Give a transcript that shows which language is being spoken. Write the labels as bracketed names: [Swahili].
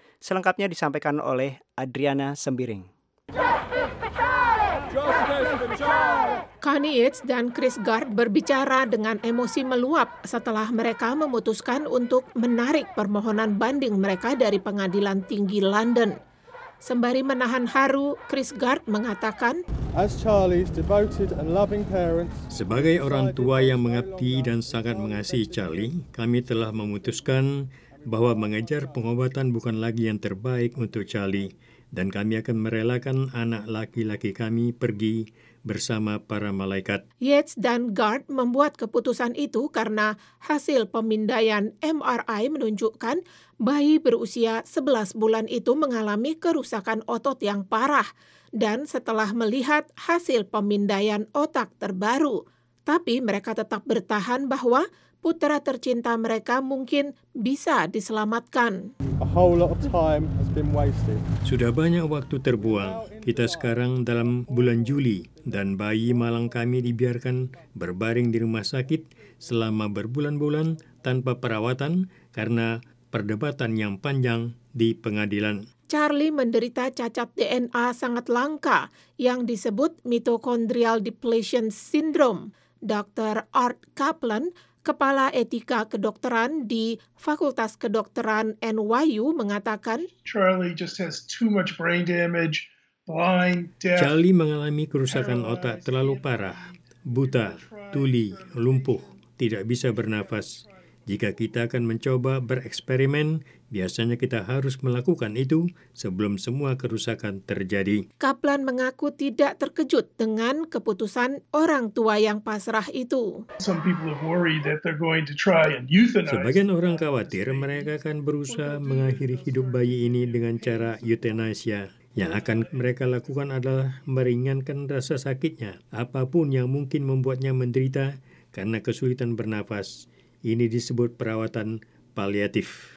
[Indonesian] Selengkapnya disampaikan oleh Adriana Sembiring. Connie Yates dan Chris Gard berbicara dengan emosi meluap setelah mereka memutuskan untuk menarik permohonan banding mereka dari Pengadilan Tinggi London. Sembari menahan haru, Chris Gard mengatakan, [English] As Charlie's devoted and loving parents, [Indonesian] sebagai orang tua yang mengabdi dan sangat mengasihi Charlie, kami telah memutuskan bahwa mengejar pengobatan bukan lagi yang terbaik untuk Charlie, dan kami akan merelakan anak laki-laki kami pergi bersama para malaikat. Yates dan Gard membuat keputusan itu karena hasil pemindaian MRI menunjukkan bayi berusia 11 bulan itu mengalami kerusakan otot yang parah, dan setelah melihat hasil pemindaian otak terbaru. Tapi mereka tetap bertahan bahwa putera tercinta mereka mungkin bisa diselamatkan. [English] A whole lot of time has been wasted. [Indonesian] Sudah banyak waktu terbuang. Kita sekarang dalam bulan Juli dan bayi malang kami dibiarkan berbaring di rumah sakit selama berbulan-bulan tanpa perawatan karena perdebatan yang panjang di pengadilan. Charlie menderita cacat DNA sangat langka yang disebut mitochondrial depletion syndrome. Dr. Art Kaplan, Kepala Etika Kedokteran di Fakultas Kedokteran NYU mengatakan, [English] Charlie just has too much brain damage, blind, deaf. [Indonesian] Charlie mengalami kerusakan otak terlalu parah, buta, tuli, lumpuh, tidak bisa bernafas. Jika kita akan mencoba bereksperimen, biasanya kita harus melakukan itu sebelum semua kerusakan terjadi. Kaplan mengaku tidak terkejut dengan keputusan orang tua yang pasrah itu. [English] Some people are worried that they're going to try and euthanize. [Indonesian] Sebagian orang khawatir mereka akan berusaha mengakhiri hidup bayi ini dengan cara euthanasia. Yang akan mereka lakukan adalah meringankan rasa sakitnya, apapun yang mungkin membuatnya menderita karena kesulitan bernafas. Ini disebut perawatan paliatif.